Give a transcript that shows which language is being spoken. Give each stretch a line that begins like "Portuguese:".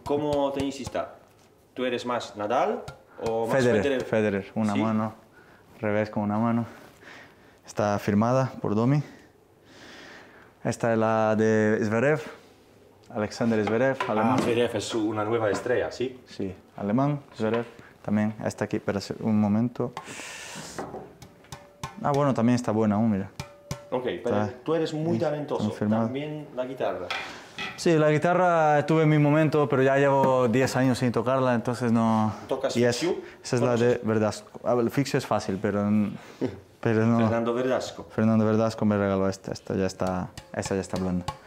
Spanish: ¿Cómo tenisista? ¿Tú eres más Nadal? Federer, una mano, revés con una mano. Está firmada por Domi. Esta es la de Zverev, Alexander Zverev, alemán. Zverev es una nueva estrella, ¿sí? Sí, alemán, Zverev.
Portuguese: Também esta aqui, espera um momento. Ah,
Spanish: bueno,
Portuguese: também está boa,
Spanish: mira. Ok, pero tú eres muy talentoso, confirmado. También la guitarra. Sí, la guitarra tuve mi momento, pero ya llevo 10 años sin tocarla, entonces no... ¿Tocas Fixio? Esa es la de Verdasco. El Fixio es fácil, pero no... Fernando Verdasco. Fernando Verdasco me regaló esta, esta ya está blanda.